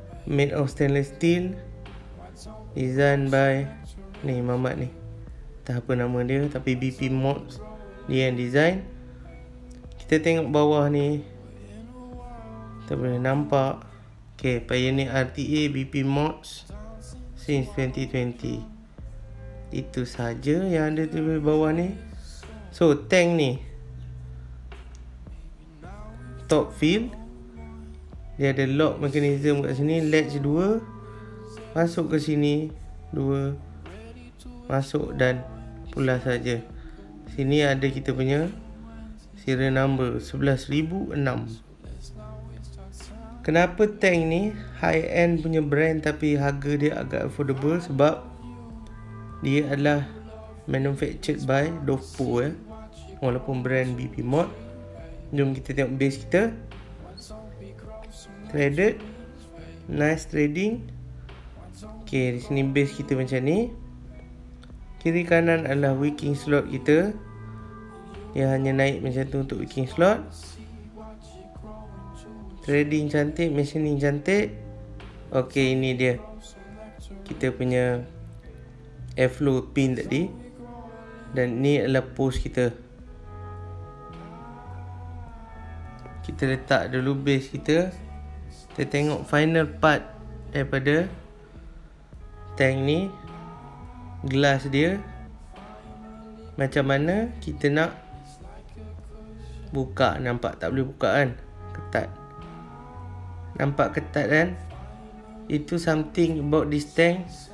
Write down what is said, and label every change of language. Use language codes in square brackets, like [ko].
[en] Made of stainless steel, designed by [ms] ni Mamat ni. Tak apa nama dia, tapi BP Mods dia yang design. Kita tengok bawah ni, kita boleh nampak. [en] Okay, Pioneer RTA BP Mods since 2020. [ms] Itu saja yang ada di bawah ni. So tank ni top fill, dia ada lock mechanism kat sini, latch 2 masuk ke sini, 2 masuk dan pulas saja. Sini ada kita punya serial number 11006. Kenapa tank ni high end punya brand tapi harga dia agak affordable? Sebab dia adalah [en] manufactured by [ms] Dovpo . Walaupun brand BP Mod. Jom kita tengok base kita. [en] Threaded, nice threading. [ms] Okay, di sini base kita macam ni. Kiri kanan adalah wicking slot kita. Dia hanya naik macam tu untuk wicking slot. Threading cantik, machining cantik. Okay, ini dia kita punya airflow pin tadi. Dan ni adalah post kita. Kita letak dulu base kita. Kita tengok final part daripada tank ni, glass dia macam mana kita nak buka. Nampak tak boleh buka kan? Ketat. Nampak ketat kan? Itu [en] something about this tank.